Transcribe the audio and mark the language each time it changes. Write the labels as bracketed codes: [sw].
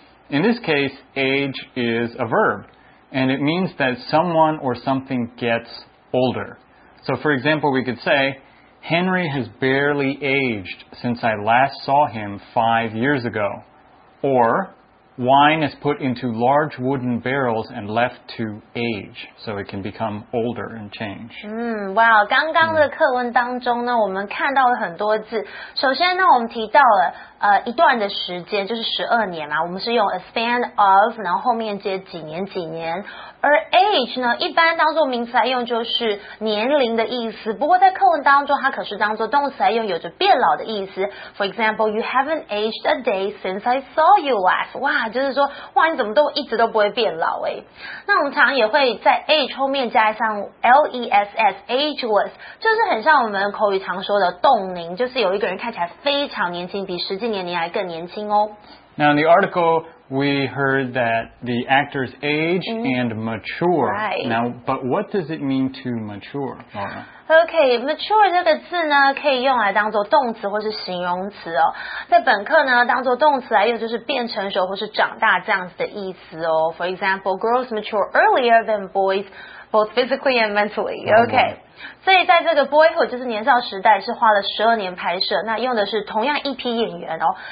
[en] In this case, age is a verb, and it means that someone or something gets older. So, for example, we could say, Henry has barely aged since I last saw him 5 years ago. Or... Wine is put into large wooden barrels and left to age, so it can become older and change. [zh] Wow, 刚刚的课文当中呢，我们看到了很多字。首先呢，我们提到了一段的时间，就是12年嘛。我们是用 [en] a span of, [zh] 然后后面接几年几年。而 age 呢，一般当作名词来用，就是年龄的意思。不过在课文当中，它可是当作动词来用，有着变老的意思。 [en] For example, you haven't aged a day since I saw you last. Wow. [zh] 就是说哇你怎么都一直都不会变老诶那我们常也会在 age 后面加上 less ageless 就是很像我们口语常说的冻龄就是有一个人看起来非常年轻比实际年龄还更年轻哦 [en] Now in the article we heard that the actors age and mature、 right. Now but what does it mean to mature? [zh] Okay, mature 这个字呢可以用来当作动词或是形容词哦。在本课呢当作动词来用就是变成熟或是长大这样子的意思哦。 [en] For example, girls mature earlier than boys, both physically and mentally. Okay.、 Mm-hmm. [zh] 所以在这个 boyhood 就是年少时代是花了12年拍摄那用的是同样一批演员哦。